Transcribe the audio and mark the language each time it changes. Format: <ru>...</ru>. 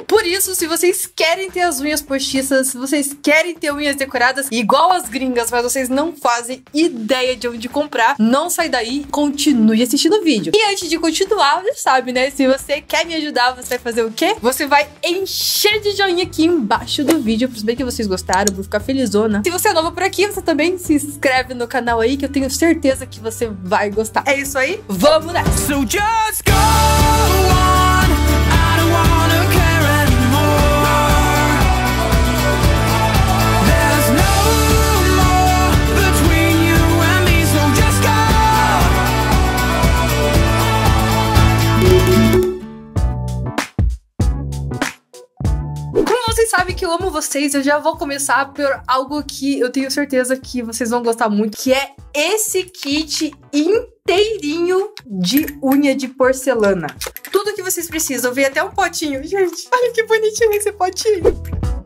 <pt>Por isso, se vocês querem ter as unhas postiças, se vocês querem ter unhas decoradas igual as gringas, mas vocês não fazem ideia de onde comprar, não sai daí, continue assistindo o vídeo. E antes de continuar, você sabe, né? Se você quer me ajudar, você vai fazer o quê? Você vai encher de joinha aqui embaixo do vídeo, pra saber que vocês gostaram, pra ficar felizona. Se você é novo por aqui, você também se inscreve no canal aí, que eu tenho certeza que você vai gostar. É isso aí? Vamos nessa!</pt> <en>So just go on, I don't wanna care anymore. There's no more between you and me, so just go.</en> <pt>Como vocês sabem que eu amo vocês, eu já vou começar por algo que eu tenho certeza que vocês vão gostar muito, que é esse kit inteirinho de unha de porcelana. Tudo que vocês precisam. Vem até um potinho, gente. Olha que bonitinho esse potinho.</pt>